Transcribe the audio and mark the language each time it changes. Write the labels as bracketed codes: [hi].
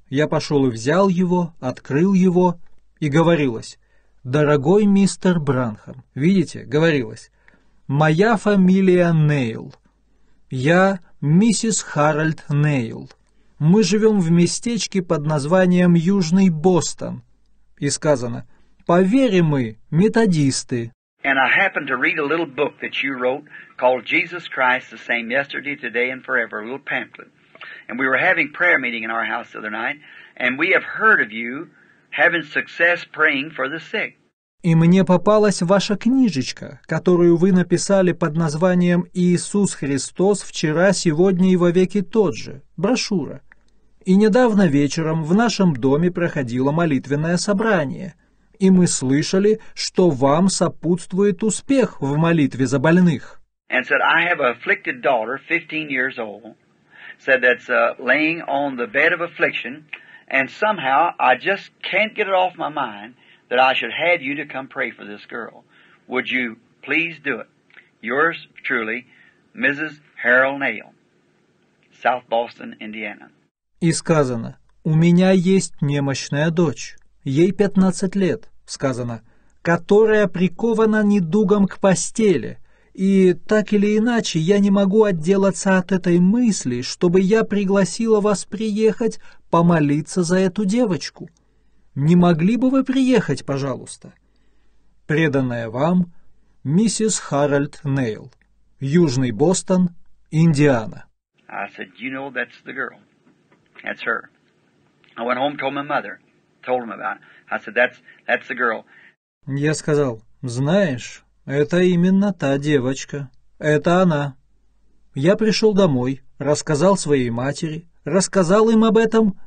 [ru] Я пошел и взял его, открыл его, и говорилось: «Дорогой мистер Бранхам», видите, говорилось, «моя фамилия Нейл. Я миссис Харальд Нейл. Мы живем в местечке под названием Южный Бостон». И сказано: «Поверь, мы методисты». [en] And I happened to read a little book that you wrote called Jesus Christ the Same Yesterday, Today and Forever, a little pamphlet. And we were having prayer meeting in our house the other night, and we have heard of you having success praying for the sick. [ru] И мне попалась ваша книжечка, которую вы написали под названием «Иисус Христос вчера, сегодня и вовеки тот же», брошюра. И недавно вечером в нашем доме проходило молитвенное собрание, и мы слышали, что вам сопутствует успех в молитве за больных. [en] And said, I have an afflicted daughter, 15 years old, said that's laying on the bed of affliction, and somehow I just can't get it off my mind that I should have you to come pray for this girl. Would you please do it? Yours truly, Mrs. Harold Nail, South Boston, Indiana. [ru] И сказано: у меня есть немощная дочь, ей 15 лет, сказано, которая прикована недугом к постели. И так или иначе, я не могу отделаться от этой мысли, чтобы я пригласила вас приехать помолиться за эту девочку. Не могли бы вы приехать, пожалуйста? Преданная вам миссис Харальд Нейл, Южный Бостон, Индиана. [en] I said, you know, that's the girl. That's her. I went home, told my mother, told him about it. I said, that's the girl. [ru] Я сказал: знаешь, это именно та девочка. Это она. Я пришел домой, рассказал своей матери, рассказал им об этом.